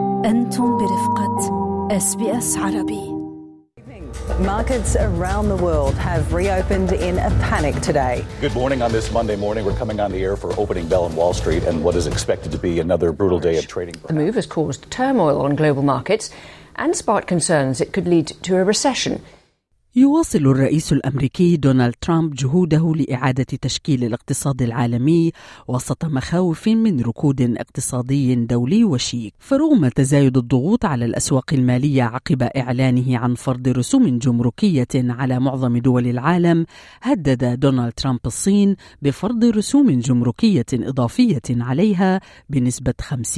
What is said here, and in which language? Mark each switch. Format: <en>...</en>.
<ar>أنتم برفقة SBS عربي.</ar> <en>Markets around the world have reopened in a panic today. Good morning on this Monday morning. We're coming on the air for opening bell in Wall Street and what is expected to be another brutal day of trading. The move has caused turmoil on global markets and sparked concerns it could lead to a recession.</en> <ar>يواصل الرئيس الأمريكي دونالد ترامب جهوده لإعادة تشكيل الاقتصاد العالمي وسط مخاوف من ركود اقتصادي دولي وشيك. فرغم تزايد الضغوط على الأسواق المالية عقب إعلانه عن فرض رسوم جمركية على معظم دول العالم، هدد دونالد ترامب الصين بفرض رسوم جمركية إضافية عليها بنسبة 50%.</ar>